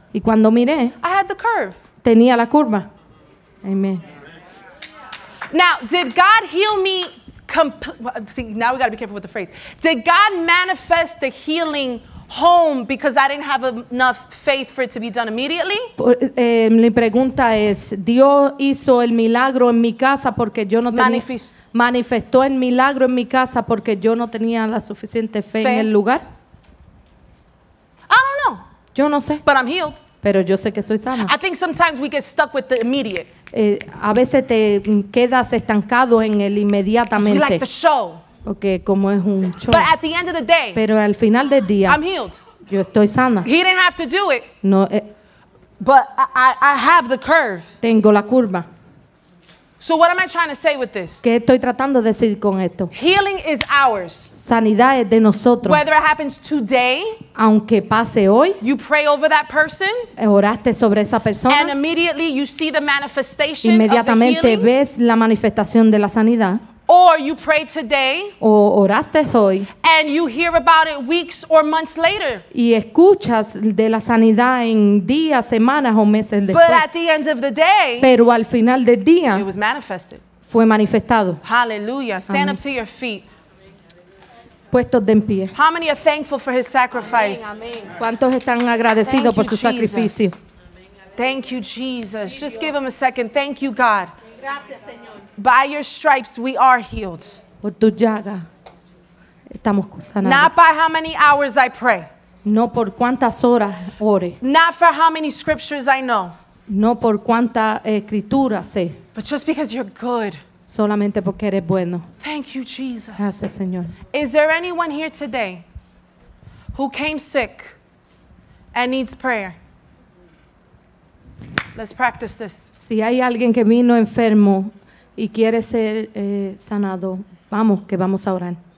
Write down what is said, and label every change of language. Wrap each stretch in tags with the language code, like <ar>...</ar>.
<es>y cuando miré,</es> <en>I had the curve,</en> <es>tenía la curva. Amen.</es> <en>Now, did God heal me? See, now we got to be careful with the phrase. Did God manifest the healing home because I didn't have enough faith for it to be done immediately?</en> <es>Mi pregunta es, ¿Dios hizo el milagro en mi casa porque yo no tenía manifestó el milagro en mi casa porque yo no tenía la suficiente fe en el lugar?</es> <en>I don't know.</en> <es>Yo no sé.</es> <en>But I'm healed.</en> <es>Pero yo sé que soy sana.</es> <en>I think sometimes we get stuck with the immediate.</en> <es>A veces te quedas estancado en el inmediatamente.</es> <en>You like the show.</en> <es>Okay, como es un show.</es> <en>But at the end of the day,</en> <es>pero al final del día,</es> <en>I'm healed.</en> <es>Yo estoy sana.</es> <en>He didn't have to do it.</en> <es>No,</es> <en>but I have the curve.</en> <es>Tengo la curva.</es> <en>So what am I trying to say with this?</en> <es>¿Qué estoy tratando de decir con esto?</es> <en>Healing is ours.</en> <es>Sanidad es de nosotros.</es> <en>Whether it happens today,</en> <es>aunque pase hoy,</es> <en>you pray over that person,</en> <es>oraste sobre esa persona,</es> <en>and immediately you see the manifestation.</en> <es>Inmediatamente</es> <en>of the healing,</en> <es>ves la manifestación de la sanidad.</es> <en>Or you pray today,</en> <es>o oraste hoy,</es> <en>and you hear about it weeks or months later.</en> <es>Y escuchas de la sanidad en días, semanas o meses después.</es> <en>But at the end of the day,</en> <es>pero al final del día,</es> <en>it was manifested.</en> <es>Fue manifestado.</es> <en>Hallelujah. Stand up to your feet.</en> <es>Puestos de en pie.</es> <en>How many are thankful for his sacrifice? Amen.</en> <es>¿Cuántos están agradecidos por su sacrificio?</es> <en>Thank you, Jesus. Just give him a second. Thank you, God.</en> <es>Gracias,</es> <en>by your stripes we are healed.</en> <es>Por tu llaga, estamos sanados.</es> <en>Not by how many hours I pray.</en> <es>No por cuántas horas ore.</es> <en>Not for how many scriptures I know.</en> <es>No por cuánta escritura sé.</es> <en>But just because you're good.</en> <es>Solamente porque eres bueno.</es> <en>Thank you, Jesus.</en> <es>Gracias, Señor.</es> <en>Is there anyone here today who came sick and needs prayer? Let's practice this.</en> <es>Si hay alguien que vino enfermo y quiere ser sanado, vamos, que vamos a orar.</es>